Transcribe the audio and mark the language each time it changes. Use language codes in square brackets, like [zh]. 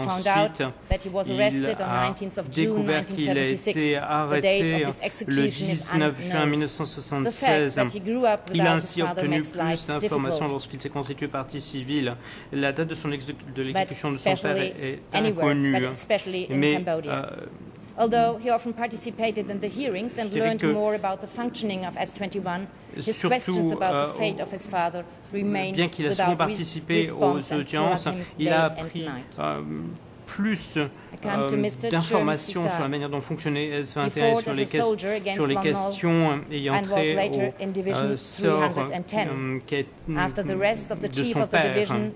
[fr] Ensuite, il a découvert qu'il a été arrêté le 19 juin 1976. Il a ainsi obtenu plus d'informations lorsqu'il s'est constitué partie civile. La date de son l'exécution de son père est inconnue. Mais [en] although he often participated in the hearings and learned more about the functioning of S21, his questions about the fate of his father remained without response. [fr] Bien qu'il ait participé aux audiences, il a appris plus d'informations sur la manière dont fonctionnait S21, sur les questions ayant trait au sort de son père.